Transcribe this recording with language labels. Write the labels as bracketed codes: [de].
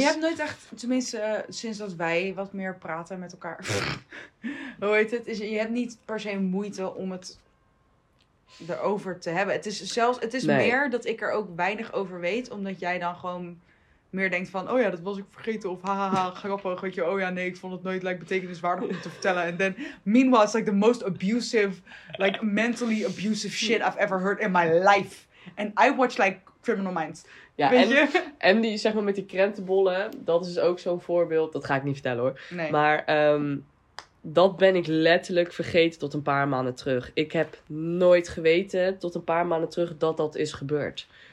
[nl] Je hebt nooit echt, tenminste sinds dat wij wat meer praten met elkaar. Hoe heet het? Je hebt niet per se moeite om het erover te hebben. Het is meer dat ik er ook weinig over weet. Omdat jij dan gewoon meer denkt van, oh ja, dat was ik vergeten. Of hahaha, grappig. Weet je, oh ja, nee, ik vond het nooit like, betekeniswaardig om te vertellen. [en] And then, meanwhile, it's like the most abusive, like mentally abusive shit I've ever heard in my life. And I watch like Criminal Minds. [nl] Ja, en die, zeg maar, met die krentenbollen, dat is ook zo'n voorbeeld. Dat ga ik niet vertellen, hoor. Nee. Maar dat ben ik letterlijk vergeten tot een paar maanden terug. Ik heb nooit geweten tot een paar maanden terug dat dat is gebeurd.